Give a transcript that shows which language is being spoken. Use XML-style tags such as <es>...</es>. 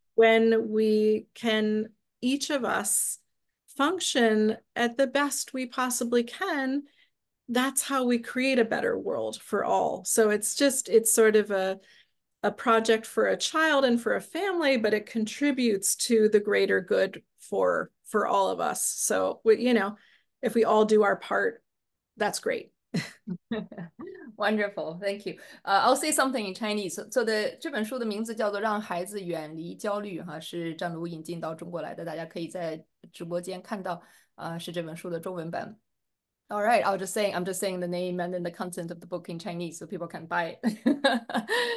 <en>when we can, each of us, function at the best we possibly can, that's how we create a better world for all. So it's sort of a project for a child and for a family, but it contributes to the greater good for all of us. So, you know, if we all do our part, that's great. Wonderful. Thank you. I'll say something in Chinese. So the</en> <zh>这本书的名字叫做《让孩子远离焦虑》，是张璐引进到中国来的，大家可以在直播间看到，是这本书的中文版。</zh> <en>All right, I'm just saying the name and then the content of the book in Chinese so people can buy it.</en>